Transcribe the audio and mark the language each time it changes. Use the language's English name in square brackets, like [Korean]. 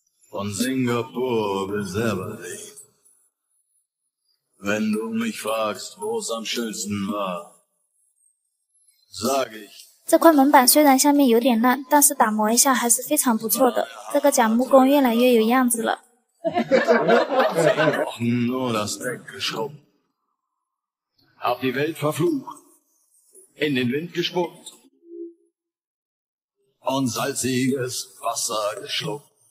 [German] Von Singapur bis Aberdeen. Wenn du mich fragst, wo es am schönsten war, sag ich. [Chinese] 这块门板虽然下面有点烂，但是打磨一下还是非常不错的。这个假木工越来越有样子了。 [German] Nur das Deck geschrubbt. Hab die Welt verflucht. In den Wind gespuckt. Und salziges Wasser geschluckt.